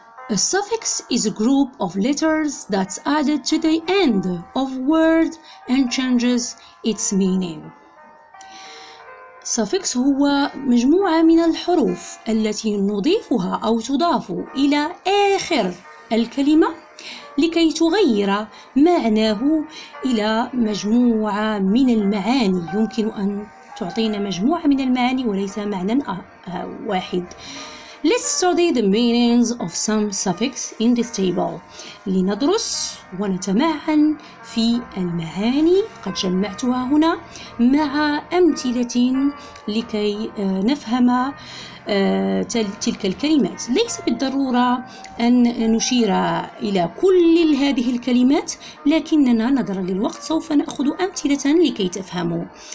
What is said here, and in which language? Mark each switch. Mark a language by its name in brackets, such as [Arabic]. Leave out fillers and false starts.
[English] A suffix is a group of letters that's added to the end of a word and changes its meaning. [Arabic] Suffix هو مجموعة من الحروف التي نضيفها أو تضاف إلى آخر الكلمة لكي تغير معناه إلى مجموعة من المعاني. يمكن أن تعطينا مجموعة من المعاني وليس معنى واحد. [English] Let's study the meanings of some suffixes in this table. [Arabic] لندرس ونتمعن في المعاني قد جمعتها هنا مع أمثلة لكي نفهم تلك الكلمات. ليس بالضرورة أن نشير إلى كل هذه الكلمات، لكننا نظرا للوقت سوف نأخذ أمثلة لكي تفهموا.